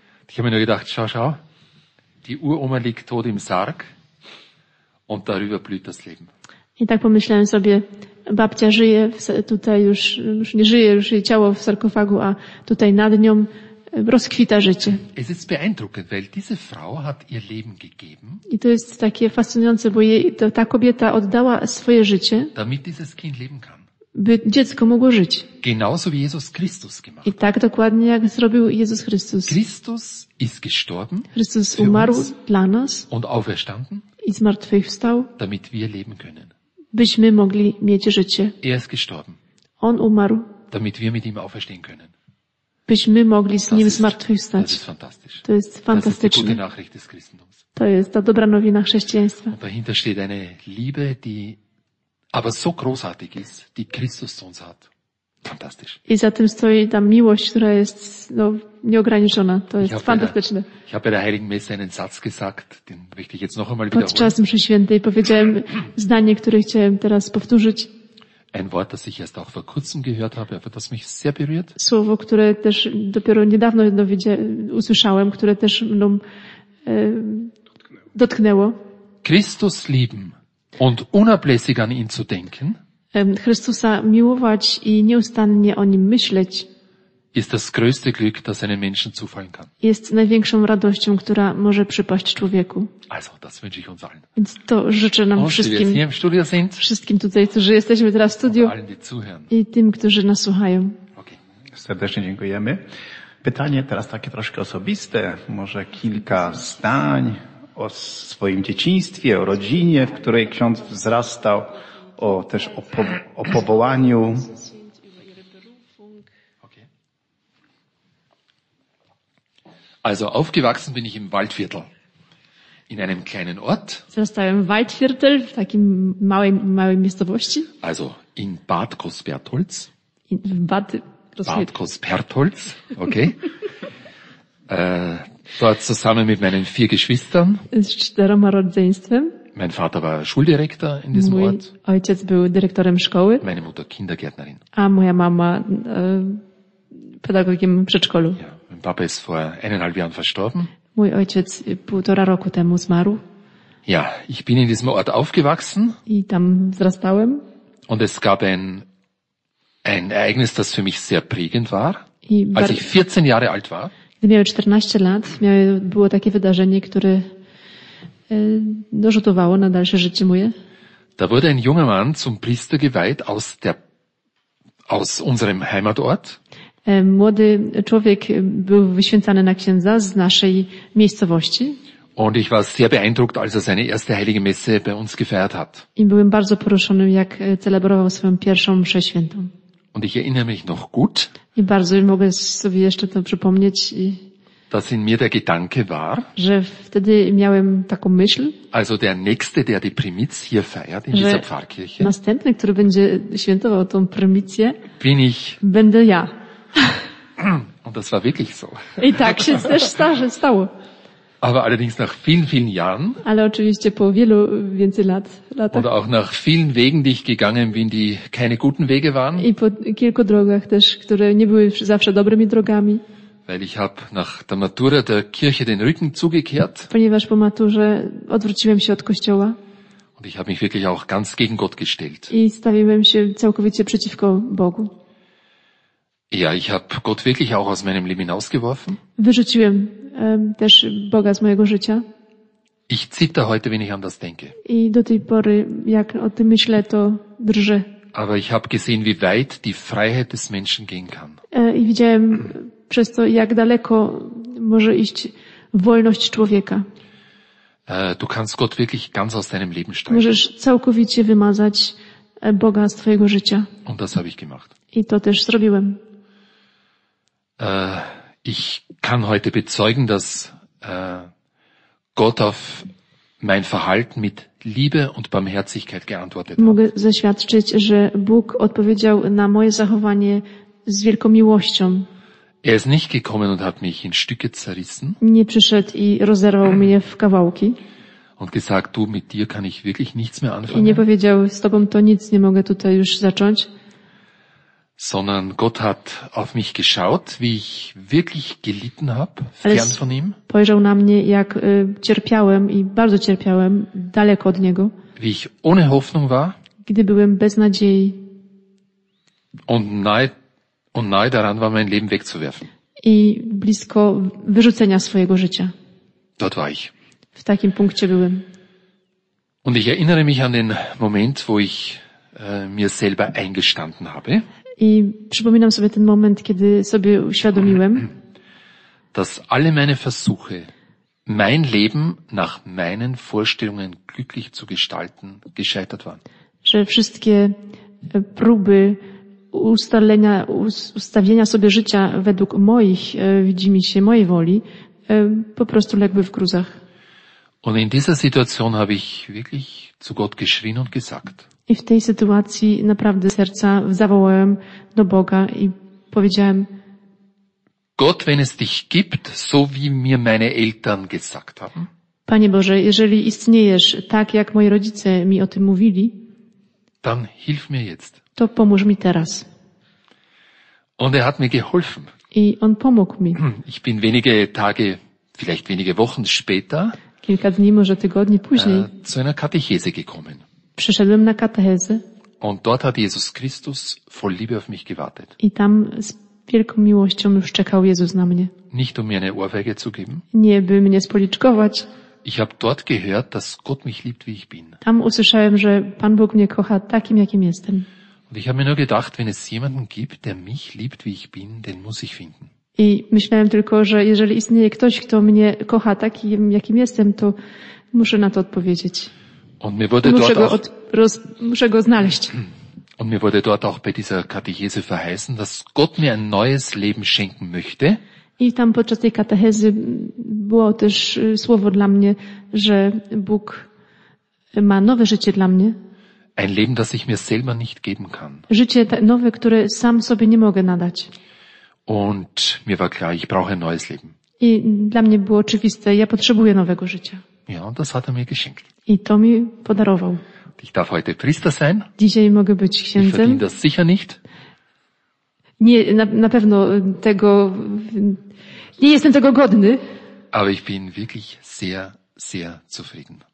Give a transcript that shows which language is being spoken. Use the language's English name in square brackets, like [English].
[German] Ich habe mir nur gedacht, schau, die Uroma liegt tot im Sarg und darüber blüht das Leben. [Polish] I tak pomyślałem sobie, babcia żyje, tutaj już nie żyje, już jej ciało w sarkofagu, a tutaj nad nią rozkwita życie. [German] Es ist beeindruckend, weil diese Frau hat ihr Leben gegeben. [Polish] I to jest takie fascynujące, bo jej, ta kobieta oddała swoje życie, [German] damit dieses Kind leben kann. [Polish] By dziecko mogło żyć. [German] Genauso wie Jesus Christus gemacht. [Polish] I tak dokładnie jak zrobił Jezus Chrystus. [German] Christus ist gestorben. [Polish] Chrystus umarł dla nas. [German] Und auferstanden. [Polish] I zmartwychwstał. [German] Damit wir leben können. [Polish] Byśmy mogli mieć życie. [German] Er ist gestorben. [Polish] On umarł. [German] Damit wir mit ihm auferstehen können. [Polish] Byśmy mogli z nim zmartwychwstać. [German] Das ist fantastisch. [Polish] To jest fantastyczne. [German] Das ist die gute Nachricht des Christentums. [Polish] To jest ta dobra nowina chrześcijaństwa. [German] Und dahinter steht eine Liebe, die aber so großartig ist, die Christus zu uns hat. Fantastisch. [Polish] I za tym stoi ta miłość, która jest no, nieograniczona. To jest fantastyczne. [German] Ich habe bei der Heiligen Messe einen Satz gesagt, den möchte ich jetzt noch einmal wiederholen. [Polish] Podczas mszy świętej powiedziałem zdanie, które chciałem teraz powtórzyć. [German] Ein Wort, das ich erst auch vor kurzem gehört habe, aber das mich sehr berührt. [Polish] Słowo, które też dopiero niedawno usłyszałem, które też mną dotknęło. [German] Christus lieben. Und unablässig an ihn zu denken, [Polish] Chrystusa miłować i nieustannie o nim myśleć, [German] ist das größte Glück, das einem Menschen zufallen kann. [Polish] Jest największą radością, która może przypaść człowieku. [German] Also, das wünsche ich uns allen. [Polish] Więc to życzę nam wszystkim. Wszystkim, [German] im studio sind, [Polish] wszystkim tutaj, którzy jesteśmy teraz w studiu. [German] Allen, die zuhören. [Polish] I tym, którzy nas słuchają. Okay. Serdecznie dziękujemy. Pytanie teraz takie troszkę osobiste. Może kilka zdań o swoim dzieciństwie, o rodzinie, w której ksiądz wzrastał, o też o powołaniu. Okay. [German] Also aufgewachsen bin ich im Waldviertel, in einem kleinen Ort. [Polish] Wzrastałem w Waldviertel, w takim małej miejscowości. [German] Also in Bad Großbertholz. In Bad Großbertholz. Bad Großbertholz, okay. Dort zusammen mit meinen vier Geschwistern. [Polish] Z czterema rodzeństwem. [German] Mein Vater war Schuldirektor in diesem [Polish] Mój [German] Ort. [Polish] Ojciec był dyrektorem szkoły. [German] Meine Mutter Kindergärtnerin. [Polish] A moja mama pedagogiem w przedszkolu. [German] Ja, mein Papa ist vor eineinhalb Jahren verstorben. [Polish] Mój ojciec półtora roku temu zmarł. [German] Ja, ich bin in diesem Ort aufgewachsen. [Polish] I tam wzrastałem. [German] Und es gab ein Ereignis, das für mich sehr prägend war. Als ich 14 Jahre alt war. [Polish] Gdy miałem 14 lat, było takie wydarzenie, które dorzutowało na dalsze życie moje. [German] Da wurde ein junger Mann zum Priester geweiht aus unserem Heimatort. [Polish] Młody człowiek był wyświęcany na księdza z naszej miejscowości. [German] Und ich war sehr beeindruckt, als er seine erste heilige Messe bei uns gefeiert hat. [Polish] I byłem bardzo poruszony, jak celebrował swoją pierwszą mszę świętą. [German] Und ich erinnere mich noch gut. [Polish] I bardzo mogę sobie jeszcze to przypomnieć. [German] Dass in mir der Gedanke war. [Polish] Że wtedy miałem taką myśl. [German] Also der nächste, der die Primiz hier feiert in dieser Pfarrkirche. [Polish] Następny, który będzie świętował tą Primicję. [German] Bin ich. [Polish] Będę ja. [German] Und das war wirklich so. [Polish] I tak się też stało. [German] Aber allerdings nach vielen, vielen Jahren. [Polish] Ale oczywiście po wielu więcej latach. [German] Und auch nach vielen Wegen, die ich gegangen bin, die keine guten Wege waren. [Polish] I po kilku drogach też, które nie były zawsze dobrymi drogami. [German] Weil ich habe nach der Matura der Kirche den Rücken zugekehrt. [Polish] Ponieważ po maturze odwróciłem się od Kościoła. [German] Und ich habe mich wirklich auch ganz gegen Gott gestellt. [Polish] I stawiłem się całkowicie przeciwko Bogu. [German] Ja, ich habe Gott wirklich auch aus meinem Leben hinausgeworfen. [Polish] Wyrzuciłem też Boga z mojego życia. [German] Ich zitter heute, wenn ich an das denke. [Polish] I do tej pory, jak o tym myślę, to drżę. [German] Aber ich habe gesehen, wie weit die Freiheit des Menschen gehen kann. [Polish] I widziałem przez to, jak daleko może iść wolność człowieka. [German] Du kannst Gott wirklich ganz aus deinem Leben streichen. [Polish] Możesz całkowicie wymazać Boga z twojego życia. [German] Und das habe ich gemacht. [Polish] I to też zrobiłem. [German] Ich kann heute bezeugen, dass Gott auf mein Verhalten mit Liebe und Barmherzigkeit geantwortet hat. [Polish] Mogę zaświadczyć, że Bóg odpowiedział na moje zachowanie z wielką miłością. [German] Er ist nicht gekommen und hat mich in Stücke zerrissen. [Polish] Nie przyszedł i rozerwał mnie w kawałki. [German] Und gesagt, du, mit dir kann ich wirklich nichts mehr anfangen. [Polish] I nie powiedział, z tobą to nic nie mogę tutaj już zacząć. [German] sondern Gott hat auf mich geschaut, wie ich wirklich gelitten habe, fern von ihm. [Polish] Spojrzał na mnie, jak cierpiałem i bardzo cierpiałem, daleko od niego. [German] Wie ich ohne Hoffnung war. [Polish] Gdy byłem bez nadziei. [German] Und nahe daran war, mein Leben wegzuwerfen. [Polish] I blisko wyrzucenia swojego życia. [German] Dort war ich. [Polish] W takim punkcie byłem. [German] Und ich erinnere mich an den Moment, wo ich mir selber eingestanden habe. [Polish] I przypominam sobie ten moment, kiedy sobie uświadomiłem, [German] dass alle meine Versuche, mein Leben nach meinen Vorstellungen glücklich zu gestalten, gescheitert waren. [Polish] Że wszystkie próby ustalenia, ustawienia sobie życia według moich, widzimisię, mojej woli, po prostu legły w gruzach. [German] Und in dieser Situation habe ich wirklich zu Gott geschrien und gesagt. [Polish] I w tej sytuacji naprawdę serca zawołałem do Boga i powiedziałem: [German] Gott, wenn es dich gibt, so wie mir meine Eltern gesagt haben. [Polish] Panie Boże, jeżeli istniejesz, tak jak moi rodzice mi o tym mówili, [German] dann hilf mir jetzt. [Polish] To pomóż mi teraz. [German] Und er hat mir geholfen. [Polish] I on pomógł mi. [German] Ich bin wenige Tage, vielleicht wenige Wochen später, [Polish] kilka dni, może tygodni później, [German] zu einer Katechese gekommen. [Polish] Przyszedłem na katechezę. [German] Und dort hat Jesus Christus voll Liebe auf mich gewartet. [Polish] I tam z wielką miłością już czekał Jezus na mnie. [German] Nicht um mir eine Ohrfeige zu geben. [Polish] Nie, by mnie spoliczkować. [German] Ich habe dort gehört, dass Gott mich liebt, wie ich bin. [Polish] Tam usłyszałem, że Pan Bóg mnie kocha takim, jakim jestem. [German] Und ich habe mir nur gedacht, wenn es jemanden gibt, der mich liebt, wie ich bin, den muss ich finden. [Polish] I myślałem tylko, że jeżeli istnieje ktoś, kto mnie kocha takim, jakim jestem, to muszę na to odpowiedzieć. [German] Und mir wurde [Polish] muszę go znaleźć. [German] Und mir wurde dort auch bei dieser Katechese verheißen, dass Gott mir ein neues Leben schenken möchte. [Polish] I tam podczas tej katechezy było też słowo dla mnie, że Bóg ma nowe życie dla mnie. [German] Ein Leben, das ich mir selber nicht geben kann. [Polish] Życie nowe, które sam sobie nie mogę nadać. [German] Und mir war klar, ich brauche ein neues Leben. [Polish] I dla mnie było oczywiste, ja potrzebuję nowego życia. [German] Ja, und das hat er mir geschenkt. [Polish] I to mi podarował. [German] Ich darf heute Priester sein. [Polish] Dzisiaj mogę być księdzem. [German] Ich verdiene das sicher nicht. [Polish] Nie, na pewno tego, nie jestem tego godny. [German] Aber ich bin wirklich sehr, sehr zufrieden.